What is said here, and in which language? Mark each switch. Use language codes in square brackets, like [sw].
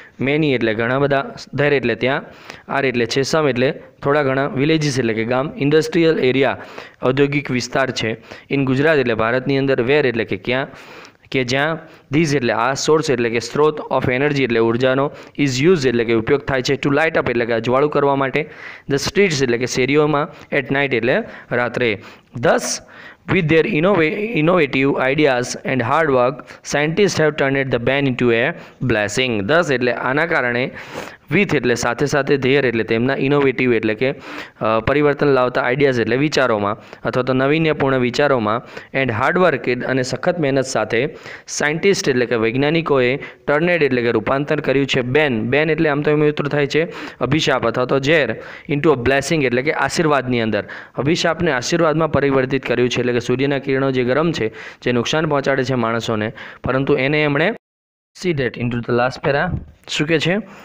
[gu] Many એટલે ઘણા બધા, ધેર એટલે ત્યાં, આર એટલે છે સમ એટલે થોડા ઘણા, વિલેજીસ એટલે કે ગામ, ઇન્ડસ્ટ્રીયલ એરિયા ઔદ્યોગિક વિસ્તાર છે, ઇન ગુજરાત એટલે ભારતની અંદર, વેર એટલે કે ક્યાં, કે જ્યાં, ધીઝ એટલે આ સોર્સ એટલે કે સ્ત્રોત ઓફ એનર્જી એટલે ઉર્જાનો, ઇઝ યુઝ એટલે કે ઉપયોગ થાય છે, ટુ લાઇટ અપ એટલે કે અજવાળું કરવા માટે, ધ સ્ટ્રીટ્સ એટલે કે શેરીઓમાં, એટ નાઇટ એટલે રાત્રે. [en] Thus with their innovative ideas and hard work, scientists have turned the ban into a blessing. [gu] Thus, એટલે આના કારણે, with એટલે સાથે સાથે, ધેર એટલે તેમના, innovative એટલે કે પરિવર્તન લાવતા, આઈડિયાઝ એટલે વિચારોમાં અથવા તો નવીન્યપૂર્ણ વિચારોમાં, એન્ડ હાર્ડવર્ક અને સખત મહેનત સાથે, સાયન્ટિસ્ટ એટલે કે વૈજ્ઞાનિકોએ ટર્નેડ એટલે કે રૂપાંતર કર્યું છે, બેન, બેન એટલે આમ તો મિત્ર થાય છે, અભિશાપ અથવા તો ઝેર, ઇન્ટુ અ બ્લેસિંગ એટલે કે આશીર્વાદની અંદર, અભિશાપને આશીર્વાદમાં પરિવર્તિત કર્યું છે, એટલે કે સૂર્યના કિરણો જે ગરમ છે, જે નુકસાન પહોંચાડે છે માણસોને, પરંતુ એને એમણે [en] See that into the last para. [gu] શું કે છે?